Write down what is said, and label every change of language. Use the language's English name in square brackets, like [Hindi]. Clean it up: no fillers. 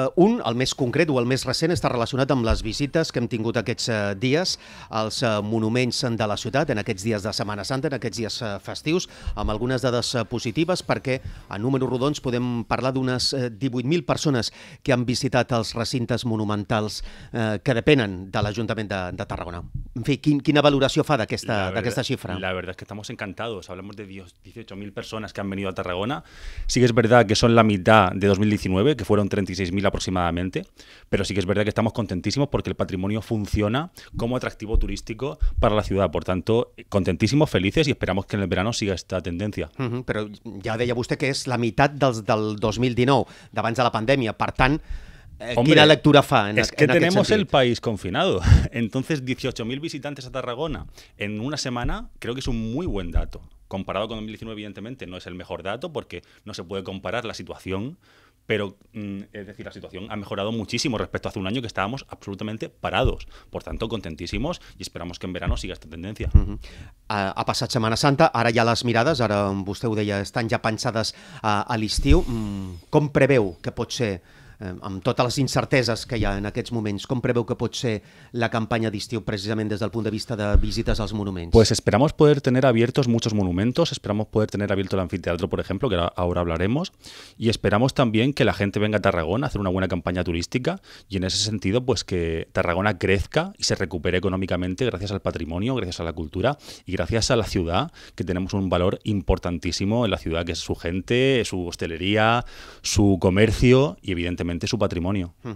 [Catalan] Un, el més concret o el més recent, està relacionat amb les visites que hem tingut aquests dies als monuments de la ciutat en aquests dies de Setmana Santa, en aquests dies festius, amb algunes dades positives, perquè a números rodons podem parlar d'unes 18.000 persones que han visitat els recintes monumentals que depenen de l'Ajuntament de Tarragona. En fi, quina valoració fa d'aquesta xifra? [Spanish] La verdad es que estamos encantados. Hablamos de 18.000 personas que han venido a Tarragona. Sí que es verdad que son la mitad de 2019, que fueron 36.000 aproximadamente, pero sí que es verdad que estamos contentísimos porque el patrimonio funciona como atractivo turístico para la ciudad. Por tanto, contentísimos, felices, y esperamos que en el verano siga esta tendencia. [Catalan] Pero ya deia vostè que es la mitad del 2019, d'abans de la pandemia. Per tant, quina lectura fa? [Spanish] Es que tenemos el país confinado. Entonces, 18.000 visitantes a Tarragona en una semana, creo que es un muy buen dato. Comparado con 2019, evidentemente, no es el mejor dato porque no se puede comparar la situación. Pero, es decir, la situación ha mejorado muchísimo respecto a hace un año que estábamos absolutamente parados. Por tanto, contentísimos y esperamos que en verano siga esta tendencia. [Catalan] Ha passat Setmana Santa, ara ja les mirades, ara vostè ho deia, estan ja pensades a l'estiu. Com preveu que pot ser, amb totes les incerteses que hi ha en aquests moments, com preveu que pot ser la campanya d'estiu precisament des del punt de vista de visites als monuments? [Spanish] Pues esperamos poder tener abiertos muchos monumentos, esperamos poder tener abierto el anfiteatro, por ejemplo, que ahora hablaremos, y esperamos también que la gente venga a Tarragona a hacer una buena campaña turística y en ese sentido pues que Tarragona crezca y se recupere económicamente gracias al patrimonio, gracias a la cultura y gracias a la ciudad, que tenemos un valor importantísimo en la ciudad, que es su gente, su hostelería, su comercio y evidentemente su patrimonio.